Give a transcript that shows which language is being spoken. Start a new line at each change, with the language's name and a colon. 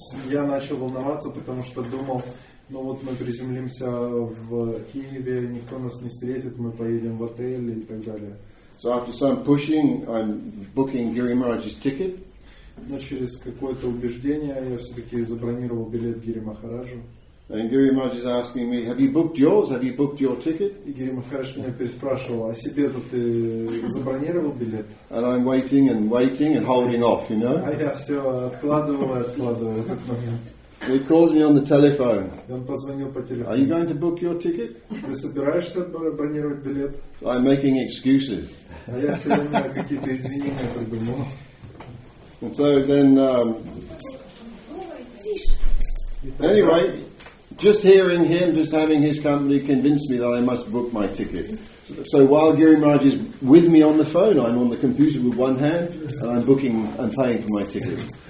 Russian: Я начал волноваться, потому что думал, ну вот мы приземлимся в Киеве, никто нас не встретит, мы поедем в отель и так далее.
English: So after some pushing, I'm booking Giri Maharaj's ticket.
Russian: Но через какое-то убеждение я все-таки забронировал билет Гири Махараджу.
English: And Giri Maharaj is asking me, have you booked yours? Have you booked your ticket?
Russian: И Гири Махарадж меня переспрашивал, а себе тут ты забронировал билет?
English: And I'm waiting and waiting and holding off, you know?
Russian: А я все откладываю, откладываю этот момент.
English: He calls me on the telephone.
Russian: И он позвонил по телефону.
English: Are you going to book your ticket?
Russian: Ты собираешься бронировать билет?
English: I'm making excuses.
Russian: А я все время какие-то извинения придумал.
English: And so then, anyway, just hearing him, just having his company convinced me that I must book my ticket. So while Giri Maharaj is with me on the phone, I'm on the computer with one hand, and I'm booking and paying for my ticket.